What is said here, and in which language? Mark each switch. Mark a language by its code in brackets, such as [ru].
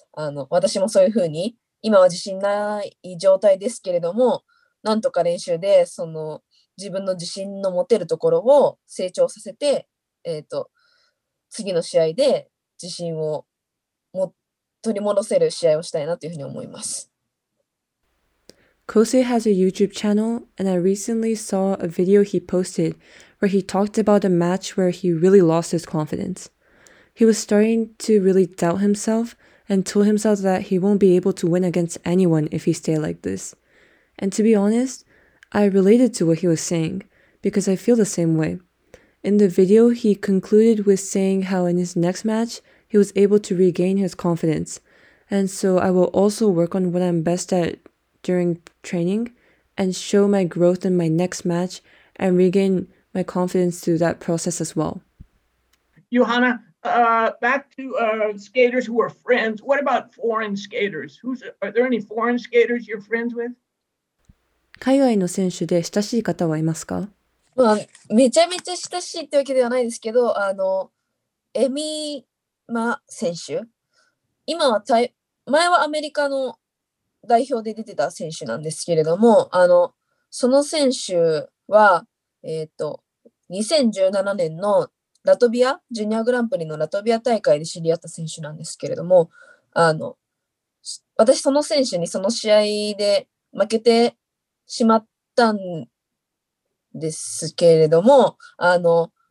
[ja] あの、私もそういうふうに、今は自信ない状態ですけれども、なんとか練習で、その、自分の自信の持てるところを成長させて、次の試合で自信を取り戻せる試合をしたいなというふうに思います。 [en] Kosei has a YouTube channel, and I recently saw a video he posted where he talked about a match where he really lost his confidence. He was starting to really doubt himself and told himself that he won't be able to win against anyone if he stayed like this. And to be honest, I related to what he was saying, because I feel the same way. In the video, he concluded with saying how in his next match, he was able to regain his confidence. And so I will also work on what I'm best at during training and show my growth in my next match and regain my confidence through that process as well. Johanna, back to skaters who are friends. What about foreign skaters? Are there any foreign skaters you're friends with? [ja] 海外の選手で親しい方はいますか？まあ、めちゃめちゃ親しいってわけではないですけど、あのエミマ選手、今は前はアメリカの代表で出てた選手なんですけれども、あのその選手は、2017年のラトビア、ジュニアグランプリのラトビア大会で知り合った選手なんですけれども、あの私その選手にその試合で負けてしまったんですけれども、あの